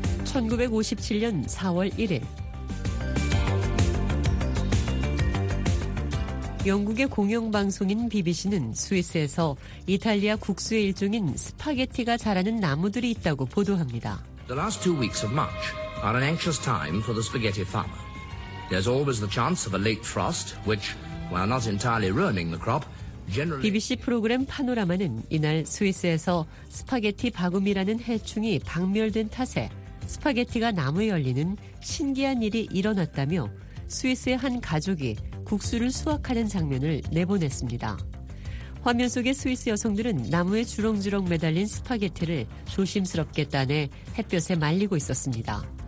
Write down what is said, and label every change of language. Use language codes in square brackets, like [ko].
[ko] 1957년 4월 1일 영국의 공영방송인 BBC는 스위스에서 이탈리아 국수의 일종인 스파게티가 자라는 나무들이 있다고 보도합니다. [en] The last 2 weeks of March are an anxious time for the spaghetti farmer. There's always the chance of a late frost, which, while not entirely ruining the crop, generally... [ko] BBC 프로그램 파노라마는 이날 스위스에서 스파게티 바구미라는 해충이 박멸된 탓에 스파게티가 나무에 열리는 신기한 일이 일어났다며 스위스의 한 가족이 국수를 수확하는 장면을 내보냈습니다. 화면 속의 스위스 여성들은 나무에 주렁주렁 매달린 스파게티를 조심스럽게 따내 햇볕에 말리고 있었습니다.